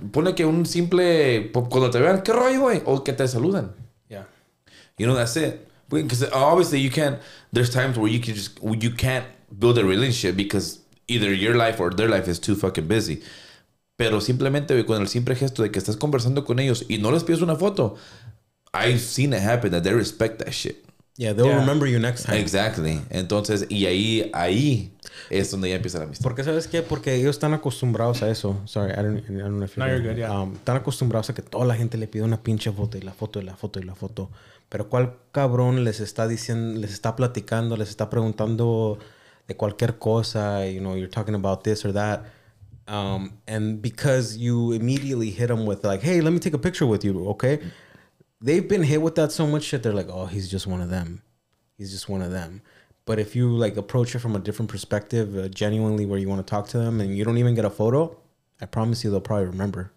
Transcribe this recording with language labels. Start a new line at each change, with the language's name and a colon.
Spanish: Pone que un simple... Cuando te vean, ¿qué rollo, güey? O que te saluden.
English: Yeah. You know, that's it. Because obviously you can't, there's times where you can just, you can't build a relationship because either your life or their life is too fucking busy.
Spanish: Pero simplemente con el simple gesto de que estás conversando con ellos y no les pides una foto,
English: I've seen it happen that they respect that shit. Yeah, they'll remember you next time. Exactly.
Spanish: Entonces, y ahí es donde ya empieza la amistad. Porque, ¿sabes qué? Porque ellos están acostumbrados a eso.
English: Sorry, I don't know if you're... No, you're good, yeah.
Spanish: Están acostumbrados a que toda la gente le pide una pinche foto y la foto y la foto y la foto. Pero ¿cuál cabrón les está diciendo, les está platicando, les está preguntando de cualquier cosa?
English: You know, you're talking about this or that. And because you immediately hit them with like, hey, let me take a picture with you, okay? They've been hit with that so much shit, they're like, oh, he's just one of them. He's just one of them. But if you like approach it from a different perspective, genuinely where you want to talk to them and you don't even get a photo, I promise you they'll probably remember.